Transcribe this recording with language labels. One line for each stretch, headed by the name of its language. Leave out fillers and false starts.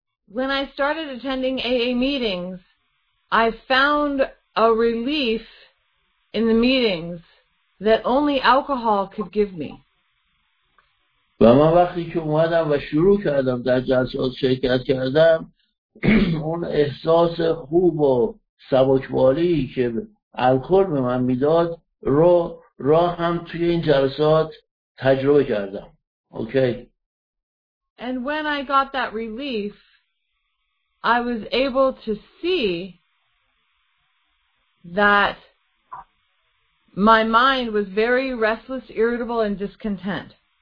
English: When I started attending AA meetings, I found a relief in the meetings that only alcohol could give me.
Persian: و من وقتی که اومدم و شروع کردم در جلسات شرکت کردم اون احساس خوب و سبکبالی که الکل به من میداد رو راه هم توی این جلسات تجربه کردم.
English: Okay. And when I got that relief, I was able to see that my mind was very restless, irritable, and discontent.